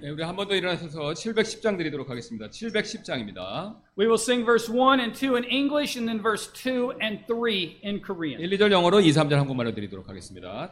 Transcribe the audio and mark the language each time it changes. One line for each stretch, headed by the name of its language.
Korean: 네, 우리 한 번 더 일어나셔서 710장 드리도록 하겠습니다. 710장입니다.
English: We will sing verse 1 and 2 in English and then verse 2 and 3 in Korean.
Korean: 1, 2절 영어로 2, 3절 한국말로 드리도록 하겠습니다.